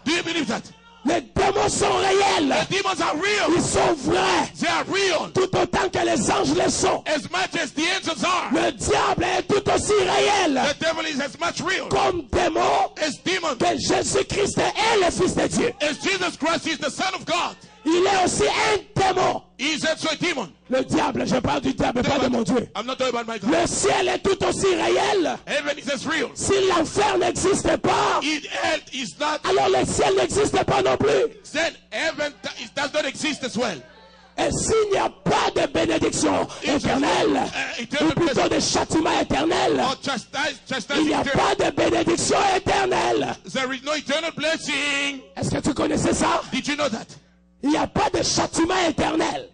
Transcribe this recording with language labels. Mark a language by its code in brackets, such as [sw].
[en] Do you believe that? [fr] Les démons sont réels. [en] The demons are real. [fr] Ils sont vrais. [en] They are real. [fr] Tout autant que les anges le sont. [en] As much as the angels are. [fr] Le diable est tout aussi réel. [en] The devil is as much real. [fr] Comme démon. [en] As demon. [fr] Que Jésus-Christ est le Fils de Dieu. [en] As Jesus Christ is the Son of God. [fr] Il est aussi un démon. [en] He is also a demon. [fr] Le diable, je parle du diable, [en] demon, [fr] pas de mon Dieu. [en] I'm not talking about my God. [fr] Le ciel est tout aussi réel. [en] Heaven is as real. [fr] Si l'enfer n'existe pas, [en] it is not, [fr] alors le ciel n'existe pas non plus. [en] Then heaven it does not exist as well. [fr] Et s'il n'y a pas de bénédiction éternelle, ou plutôt de châtiment éternel, il n'y a pas de bénédiction éternelle. [en] There is no eternal blessing. [fr] Est-ce que tu connaissais ça? [en] Did you know that? [fr] Il n'y a pas de châtiment éternel.